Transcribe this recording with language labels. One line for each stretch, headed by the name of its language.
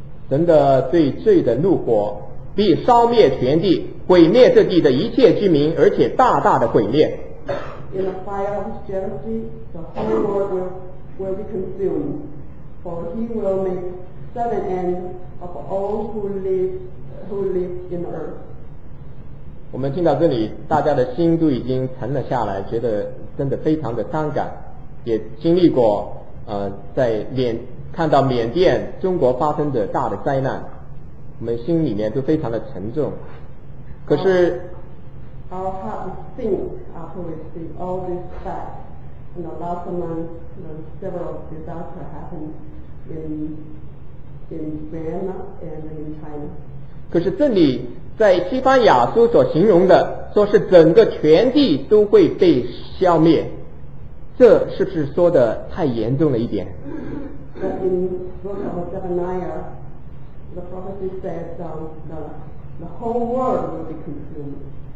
Chinese: 神的对罪的怒火必烧灭全地，毁灭这地的一切居民，而且大大的毁灭。
English: In the fire of jealousy, the whole world will be consumed, for he will make sudden end of all who live in earth.
Chinese: 我们听到这里，大家的心都已经沉了下来，觉得真的非常的伤感，也经历过在脸。看到缅甸中国发生的大的灾难，我们心里面都非常的沉重。可是
English: our heart is sink after we see all these facts in the last month several disasters happened in Vietnam and in China.
Chinese: 可是这里在西班牙书所形容的，说是整个全地都会被消灭，这是不是说的太严重了一点？
English: But in the book of Zephaniah, the prophecy says the whole world will be consumed.